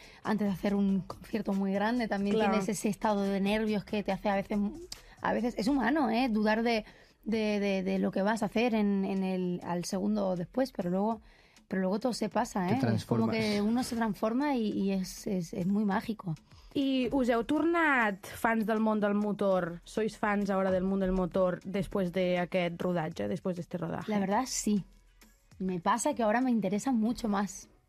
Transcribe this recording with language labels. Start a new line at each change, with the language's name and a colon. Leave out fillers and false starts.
Spanish: Antes de hacer un concierto muy grande, también claro. Tienes ese estado de nervios que te hace a veces, es humano, ¿eh? Dudar de lo que vas a hacer al segundo o después, pero luego todo se pasa, ¿eh? Es como que uno se transforma y es muy mágico.
Catalan: I us heu tornat fans del món del motor?
Spanish: Sois
Catalan: fans ara del món del motor després d'aquest rodatge, després d'este rodatge?
Spanish: La verdad, sí. Me pasa que ahora me interesa mucho más.